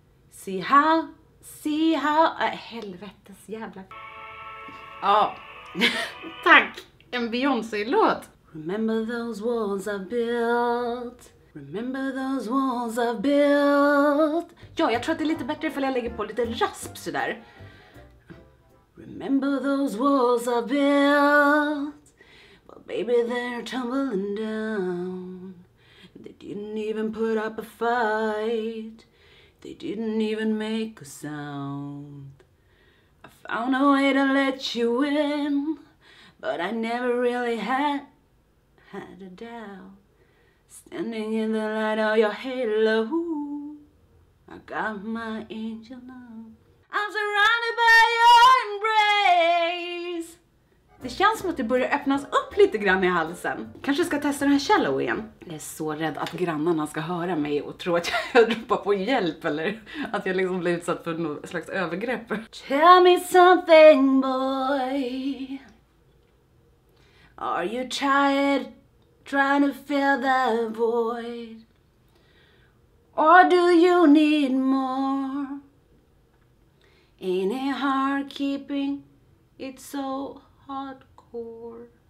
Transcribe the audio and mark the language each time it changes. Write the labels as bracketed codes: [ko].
[en] See how [sv] helvetes jävla... Ja, oh. Tack! En Beyoncé-låt! [en] Remember those walls I've built. Remember those walls I've built. [sv] Ja, jag tror att det är lite bättre ifall jag lägger på lite rasp sådär. [en] Remember those walls I've built. Well baby they're tumbling down. They didn't even put up a fight. They didn't even make a sound. I found a way to let you in, but I never really had a doubt. Standing in the light of your halo, I got my angel now. I'm surrounded by your embrace. [sv] Det känns som att det börjar öppnas upp lite grann i halsen. Kanske ska testa den här Shallow igen. Jag är så rädd att grannarna ska höra mig och tro att jag ropar på hjälp eller att jag liksom blir utsatt för något slags övergrepp. [en] Tell me something boy, are you tired trying to fill that void? Or do you need more? Ain't it hard keeping it so hardcore?